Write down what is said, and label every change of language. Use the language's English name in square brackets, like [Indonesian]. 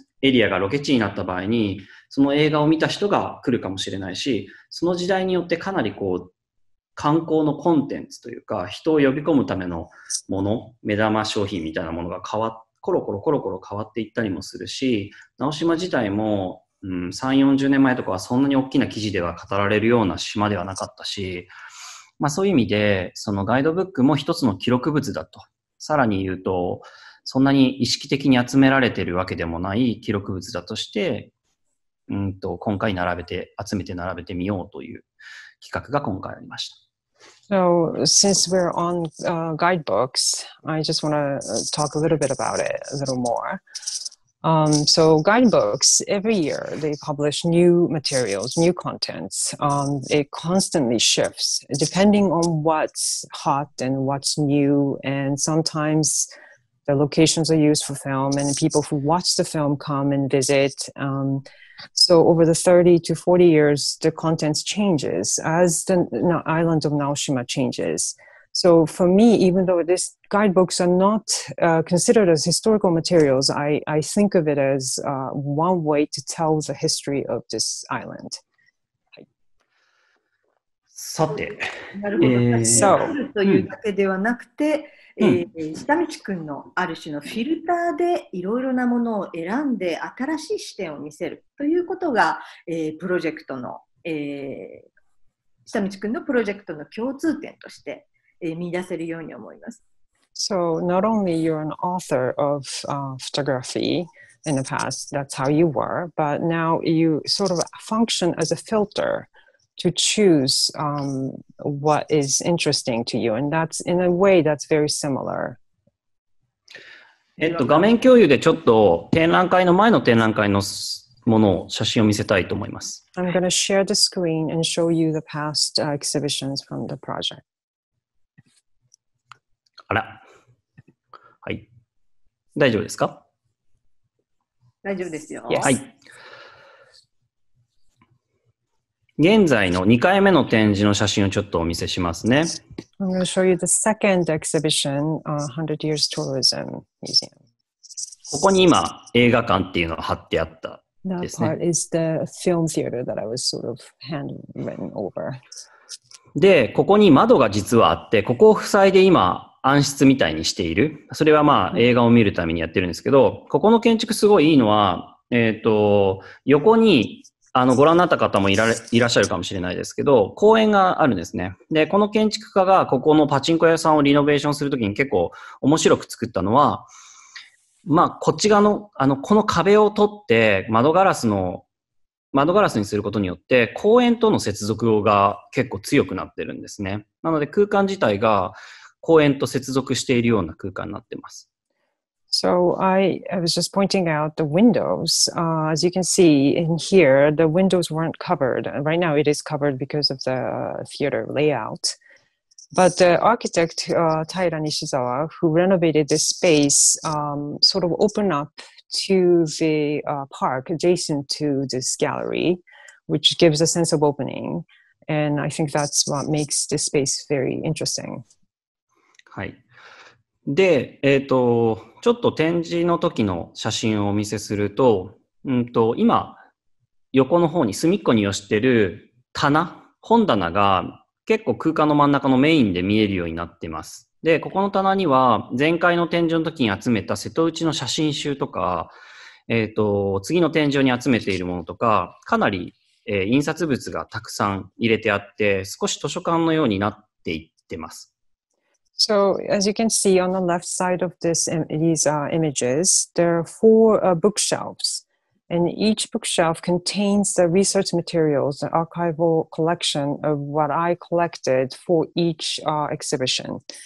[Japanese] エリアがロケ地になった場合に、その映画を見た人が来るかもしれないし、その時代によってかなりこう観光のコンテンツというか、人を呼び込むためのもの、目玉商品みたいなものが変わっコロコロコロコロ変わっていったりもするし、直島自体も、3、40年前とかはそんなに大きな記事では語られるような島ではなかったし、まあそういう意味で、そのガイドブックも一つの記録物だと。さらに言うと、そんなに意識的に集められているわけでもない記録物だとして、今回並べて、集めて並べてみようという企画が今回ありました。 [English] So, since we're on guidebooks, I just want to talk a little bit about it a little more. So, guidebooks, every year, they publish new materials, new contents. It constantly shifts, depending on what's hot and what's new, and sometimes the locations are used for film, and people who watch the film come and visit. So over the 30 to 40 years, the contents changes as the island of Naoshima changes. So for me, even though these guidebooks are not considered as historical materials, I think of it as one way to tell the history of this island. [Japanese] さて、そう、というだけではなくて、下道くんのある種のフィルターでいろいろなものを選んで新しい視点を見せるということが、プロジェクトの、下道くんのプロジェクトの共通点として、見出せるように思います。 [English] So, not only you're an author of photography in the past, that's how you were, but now you sort of function as a filter. To choose what is interesting to you, and that's in a way that's very similar. [Japanese] 画面共有でちょっと展覧会の前の展覧会のものを写真を見せたいと思います。 [English] I'm going to share the screen and show you the past exhibitions from the project. [Japanese] あら、はい、大丈夫ですか？大丈夫ですよ。 Yes. はい。現在の2回目の展示の写真をちょっとお見せしますね。 [English] I'm going to show you the second exhibition, 100 Years Tourism Museum. [Japanese] ここに今、映画館っていうのが貼ってあったですね。 [English] That part is the film theater that I was sort of handwritten over. [Japanese] で、ここに窓が実はあって、ここを塞いで今、暗室みたいにしている。それはまあ、映画を見るためにやってるんですけど、ここの建築すごいいいのは、横に、ご覧になった方もいらっしゃるかもしれないですけど、公園があるんですね。で、この建築家がここのパチンコ屋さんをリノベーションするときに結構面白く作ったのは、まあ、こっち側の、この壁を取って窓ガラスにすることによって、公園との接続が結構強くなってるんですね。なので、空間自体が公園と接続しているような空間になってます。 [English] So I was just pointing out the windows. As you can see in here, the windows weren't covered. Right now it is covered because of the theater layout. But the architect, Taira Nishizawa, who renovated this space, sort of opened up to the park adjacent to this gallery, which gives a sense of opening. And I think that's what makes this space very interesting. [Japanese] はい。で、ちょっと展示の時の写真をお見せすると、今、横の方に隅っこに寄せてる棚、本棚が結構空間の真ん中のメインで見えるようになっています。で、ここの棚には前回の展示の時に集めた瀬戸内の写真集とか、次の展示に集めているものとか、かなり、印刷物がたくさん入れてあって、少し図書館のようになっていってます。 [English] So, as you can see on the left side of these images, there are four bookshelves, and each bookshelf contains the research materials, the archival collection of what I collected for each exhibition.